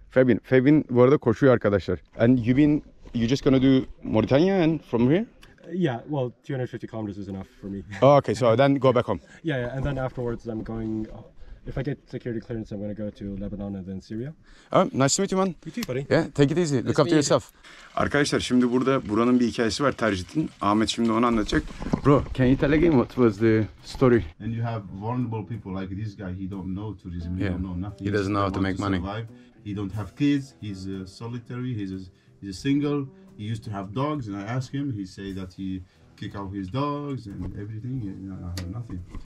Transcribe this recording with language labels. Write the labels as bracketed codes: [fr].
[tr] Fabian. Fabian, bu arada koşuyor arkadaşlar. [en] And you're just going to do Mauritania and from here? Yeah, well, 250 kilometers is enough for me. Oh, okay, so then go back home. Yeah, and then afterwards I'm going. If I get security clearance, I'm going to go to Lebanon and then Syria. Nice to meet you man. You too buddy. Yeah, take it easy. Look after yourself. [tr] Arkadaşlar şimdi burada buranın bir hikayesi var, Tercit'in. Ahmet şimdi onu anlatacak. [en] Bro, can you tell again what was the story? And you have vulnerable people like this guy. He don't know tourism. Yeah. He don't know nothing. He doesn't know how to make money. Survive. He don't have kids. He's solitary. He's a single. He used to have dogs. And I ask him, he say that he kick out his dogs and everything, nothing.